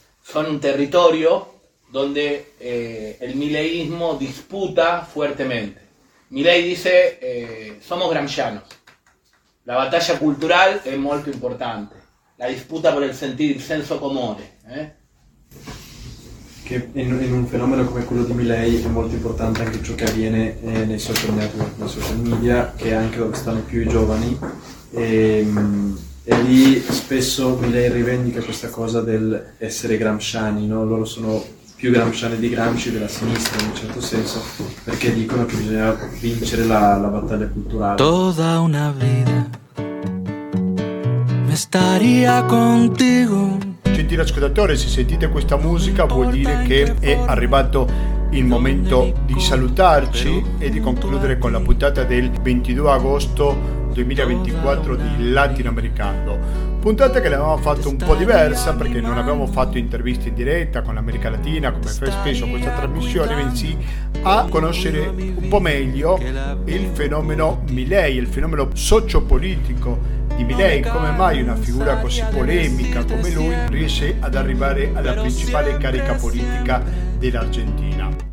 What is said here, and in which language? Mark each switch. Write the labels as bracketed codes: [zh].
[es] son un territorio donde el mileísmo disputa fuertemente. Milei dice, somos gramscianos. La batalla cultural es molto importante. La disputa por el sentir, el [it] senso comune. Che in un fenomeno come quello di Milei è molto importante anche ciò che avviene nei social network, nei social media, che è anche dove stanno più i giovani. E lì spesso Milei rivendica questa cosa del essere gramsciani, no? Loro sono più gramsciani di Gramsci, della sinistra in un certo senso, perché dicono che bisogna vincere la battaglia culturale. [es] Toda una vida me estaría contigo. [it] Gentile ascoltatore, se sentite questa musica vuol dire che è arrivato il momento di salutarci e di concludere con la puntata del 22 agosto 2024 di Latinoamericano. Puntata che l'avevamo fatto un po' diversa perché non abbiamo fatto interviste in diretta con l'America Latina come fa spesso questa trasmissione, bensì a conoscere un po' meglio il fenomeno Milei, il fenomeno sociopolitico di Milei, come mai una figura così polemica come lui riesce ad arrivare alla principale carica politica dell'Argentina.